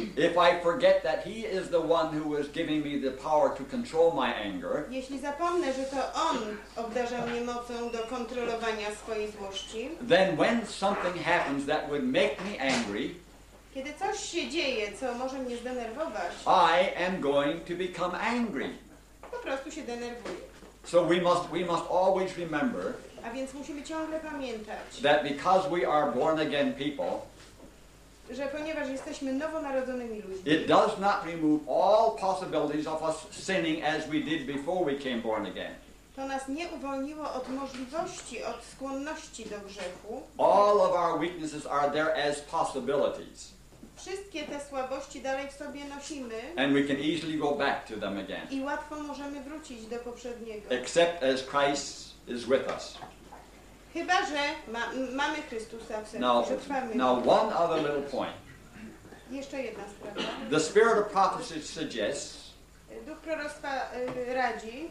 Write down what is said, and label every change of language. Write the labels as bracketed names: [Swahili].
[English] if I forget that He is the one who is giving me the power to control my anger, [Polish] jeśli zapomnę, że to On obdarza mnie mocą do kontrolowania swojej złości, [English] then when something happens that would make me angry, [Polish] kiedy coś się dzieje, co może mnie zdenerwować, [English] I am going to become angry. [Polish] Po prostu się denerwuje. [English] So we must always remember, [Polish] a więc musimy ciągle pamiętać, [English] that because we are born again people, [Polish] że ponieważ jesteśmy nowonarodzonymi ludźmi, [English] it does not remove all possibilities of us sinning as we did before we came born again. [Polish] To nas nie uwolniło od możliwości, od skłonności do grzechu. [English] All of our weaknesses are there as possibilities. [Polish] Wszystkie te słabości dalej w sobie nosimy. [English] And we can easily go back to them again. [Polish] I łatwo możemy wrócić do poprzedniego. [English] Except as Christ is with us. [Polish] Chyba że mamy Chrystusa w sercu, że trwamy. [English] Now one other little point. [Polish] Jeszcze jedna sprawa. [English] The spirit of prophecy suggests, [Polish] Duch proroctwa radzi,